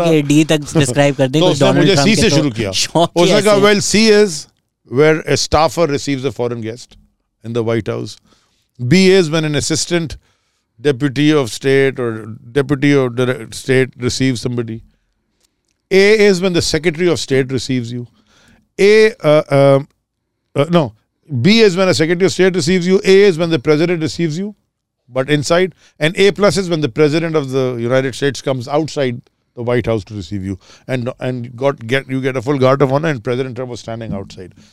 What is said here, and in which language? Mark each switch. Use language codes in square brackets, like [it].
[ur] کہ ڈی تک ڈسکرائب کر دیں, تو اس نے مجھے سی سے شروع کیا, اس نے کہا [en] Well C is where a staffer receives a foreign guest in the White House, B A is when an assistant deputy of state اور deputy of state receive somebody. A is when the secretary of state receives you. A no B is when a secretary of state receives you. A is when the president receives you but inside. And A plus is when the president of the United States comes outside the White House to receive you and got get you get a full guard of honor and President Trump was standing outside.